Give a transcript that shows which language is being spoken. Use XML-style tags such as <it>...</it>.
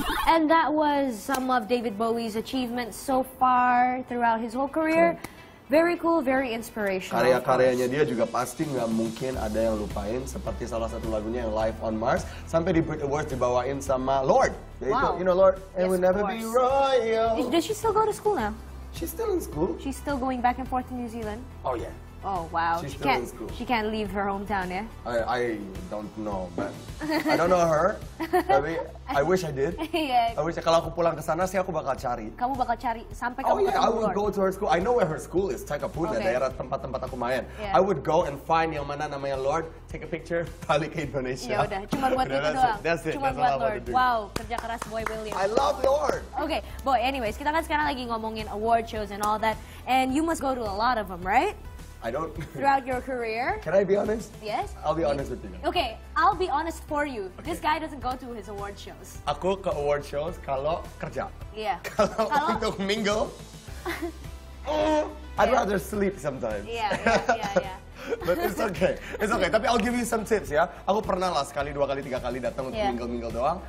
<en>And that was some of David Bowie's achievements so far throughout his whole career. Very cool, very inspirational.</en> <id>Karya-karyanya dia juga pasti nggak mungkin ada yang lupain. Seperti salah satu lagunya yang Live on Mars. Sampai di Brit Awards dibawain sama Lorde. Yaitu, wow.</id> <en>You know Lorde, yes, will never be royal. Does she still go to school now? She's still in school. She's still going back and forth to New Zealand? Oh yeah. Oh wow. She's still in school. She can't leave her hometown, yeah? I don't know, but I don't know her.</en> <id>Tapi</id> <en>I wish I did. Yeah. I wish</en> <id>kalau aku pulang ke sana sih aku bakal cari. Kamu bakal cari sampai kamu ketemu</id> <en>I would go to her school. I know where her school is.</en> <id>Takapuna, okay. Daerah tempat-tempat aku main.</id> <en>Yeah. I would go and find</en> <id>yang mana namanya</id> <en>Lorde, take a picture,</en> <id>balik ke Indonesia. Ya udah, cuma buat itu doang.</id> <en>That's it.</en> <id>Cuma buat Lorde. Wow, kerja keras Boy William.</id> <en>I love Lorde. Okay, Boy. Anyways,</en> <id>kita kan sekarang lagi ngomongin</id> <en>award shows and all that, and you must go to a lot of them, right? I don't... Throughout your career? Can I be honest? Yes. I'll be honest with you. Okay, I'll be honest for you. Okay. This guy doesn't go to his award shows.</en> <id>Aku ke award shows kalau kerja.</id> <en>Yeah.</en> <id>Kalau untuk mingle,</id> <en>I'd rather sleep sometimes. Yeah. But it's okay.</en> <id>Tapi</id> <en>I'll give you some tips</en> <id>ya. Aku pernah lah sekali, dua kali, tiga kali datang untuk mingle doang.</id>